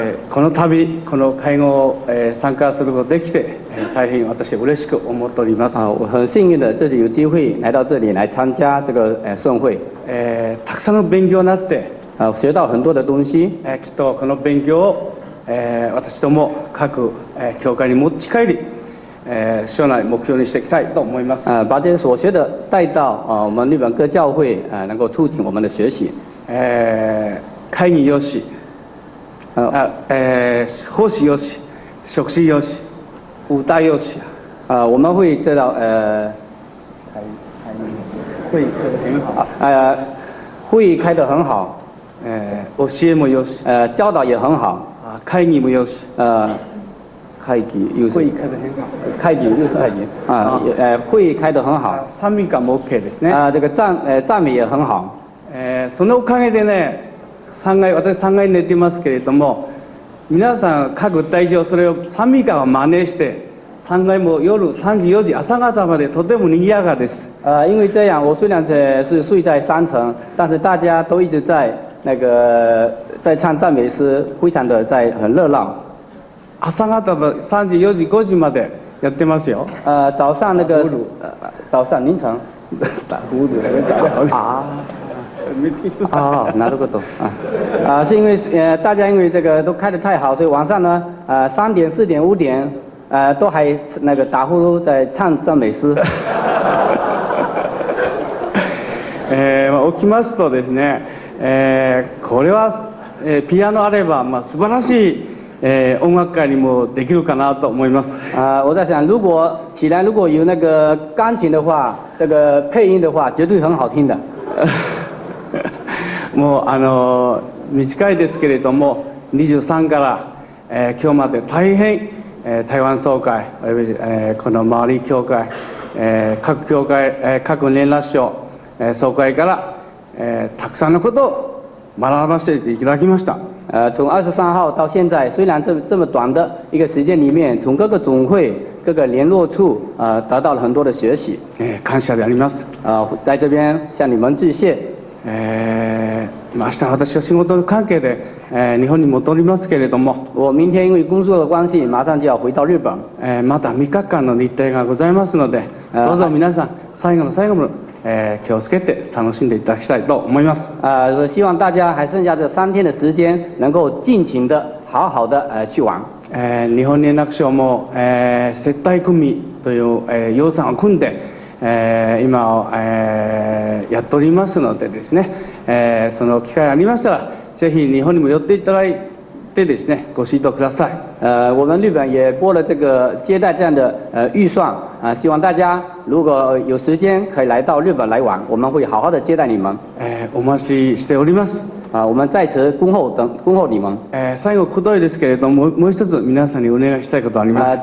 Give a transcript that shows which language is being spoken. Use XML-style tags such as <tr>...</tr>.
<ja>この度この会合参加することできて、大変私嬉しく思っております。</ja> <zh>我很幸运的自己有机会来到这里来参加这个盛会。</zh> <ja>たくさんの勉強になって、</ja> <zh>学到很多的东西。</zh> <ja>きっとこの勉強を、私ども各、教会に持ち帰り。将来目标にしていきたいと思います。</ja> <zh>把这些所学的带到我们日本各教会，能够促进我们的学习。</zh> <ja>会议よし、奉仕よし、食事よし、舞台よし。</ja> <zh>我们会知道会开得很好。会开得很好。</zh> <ja>教えもよし。</ja> <zh>教导也很好。</zh> <ja>会议もよし。</ja> <zh>会议又是会议开得很好，会议又是会议会议开得很好。</zh> <ja>賛美歌も OK ですね。</ja> <zh>这个赞美也很好。</zh> <ja>そのおかげでね、私3階寝てますけれども、皆さん各大将それを賛美歌を真似して、3階も夜3時4時朝方までとても賑やかです。</ja> <zh>因为这样，我虽然是睡在三层，但是大家都一直在那个在唱赞美诗，非常的在很热闹。</zh> <ja>朝方は三時四時五時までやってますよ。</ja> <zh>早上那个早上凌晨打呼噜啊，没听啊，哪都不懂啊。是因为大家因为这个都开得太好，所以晚上呢三点四点五点都还那个打呼噜在唱赞美诗。</zh> <ja>起きますとですね、これはピアノあればまあ素晴らしい。音楽会にもできるかなと思います。</ja> <zh>我在想，如果起来如果有那个钢琴的话，这个配音的话，绝对很好听的。</zh> <ja>もう短いですけれども、23から、今日まで大変、台湾総会、この周り教会、各教会、各年羅所、総会から、たくさんのことを学ばせていただきました。</ja> <zh>从23号到现在，虽然这么短的一个时间里面，从各个总会、各个联络处，得到了很多的学习。</zh> <ja>感谢であります。</ja> <zh>在这边向你们致谢。</zh> <ja>明日私は仕事の関係で、日本に戻りますけれども。</ja> <zh>我明天因为工作的关系，马上就要回到日本。</zh> <ja>また3日間の日程がございますので、どうぞ皆さん最後の最後まで。気をつけて楽しんでいただきたいと思います。</ja> <zh>希望大家还剩下这三天的时间，能够尽情的、好好的去玩。</zh> <ja>日本連絡所も接待組という予算を組んで、今をやっておりますのでですね、その機会ありましたら、ぜひ日本にも寄っていただいてですね、ご指導ください。</ja> <zh>我们日本也拨了这个接待这样的预算。希望大家如果有时间可以来到日本来玩，我们会好好的接待你们。</zh> <ja>お待ちしております。</ja> <zh>我们在此恭候你们。</zh> <ja>最後くどいですけれども、もう一つ皆さんにお願いしたいことあります。</ja>